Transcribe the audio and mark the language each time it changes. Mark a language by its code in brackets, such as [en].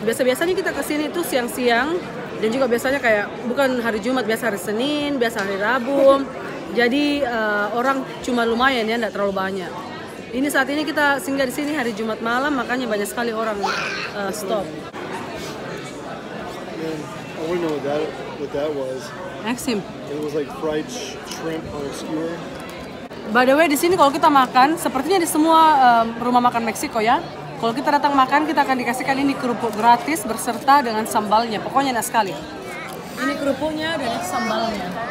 [id] Biasanya kita kesini itu siang-siang. Dan juga biasanya kayak bukan hari Jumat, biasa hari Senin, biasa hari Rabu. Jadi orang cuma lumayan ya, enggak terlalu banyak. Ini saat ini kita singgah di sini hari Jumat malam, makanya banyak sekali orang stop. [en] Man, I don't know what that was. Ask him. It was like fried shrimp on a skewer. By the way, [id] di sini kalau kita makan, sepertinya di semua rumah makan Meksiko ya. Kalau kita datang makan, kita akan dikasihkan ini kerupuk gratis berserta dengan sambalnya. Pokoknya enak sekali. Ini kerupuknya dan sambalnya.